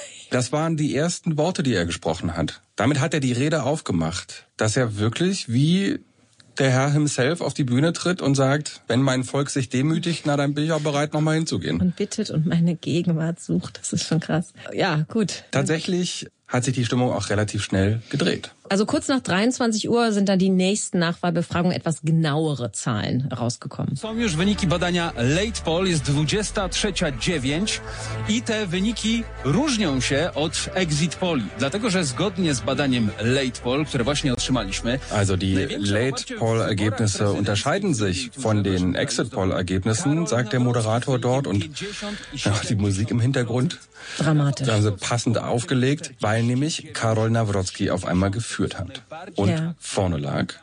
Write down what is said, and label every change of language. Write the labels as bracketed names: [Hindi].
[German] Das waren die ersten Worte, die er gesprochen hat. Damit hat er die Rede aufgemacht, dass er wirklich wie der Herr himself auf die Bühne tritt und sagt, wenn mein Volk sich demütigt, na dann bin ich auch bereit, nochmal hinzugehen. Und bittet und meine Gegenwart sucht, das ist schon krass. Ja, gut. Tatsächlich hat sich die Stimmung auch relativ schnell gedreht. Also kurz nach 23 Uhr sind dann die nächsten Nachwahlbefragungen etwas genauere Zahlen rausgekommen. [Polish] Są już wyniki badania Late Poll, jest 23:09 i te wyniki różnią się od Exit Poll, dlatego że zgodnie z badaniem Late Poll, które właśnie otrzymaliśmy. [German] Also die Late Poll Ergebnisse unterscheiden sich von den Exit Poll Ergebnissen, sagt der Moderator dort und die Musik im Hintergrund. Dramatisch. Also passend aufgelegt, weil nämlich Karol Nawrocki auf einmal geführt hat und vorne lag.